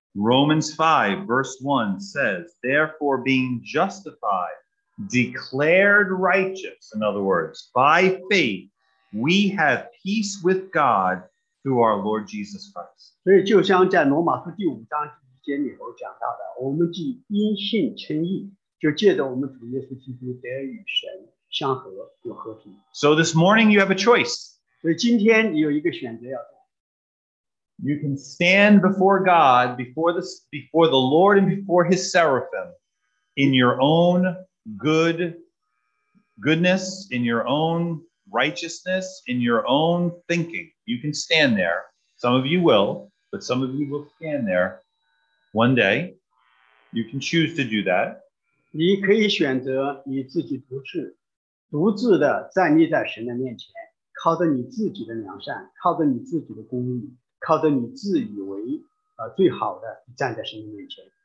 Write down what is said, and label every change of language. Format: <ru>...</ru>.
<en>Romans 5 verse 1 says, Therefore being justified, declared righteous, in other words, by faith,We have peace with God through our Lord Jesus Christ.</en> <zh>所以就像在罗马书第五章第一节里头讲到的，我们既因信称义，就借着我们主耶稣基督得与神相合，有和平。</zh> <en>So this morning you have a choice.</en> <zh>所以今天你有一个选择要做。</zh> <en>You can stand before God, before the Lord and before His seraphim, in your own goodness, in your own... righteousness in your own thinking. You can stand there. Some of you will, but some of you will stand there one day. You can choose to do that.</en> <zh>你可以选择你自己独自的站立在神的面前，靠着你自己的良善，靠着你自己的公义，靠着你自以为最好的站在神的面前。</zh>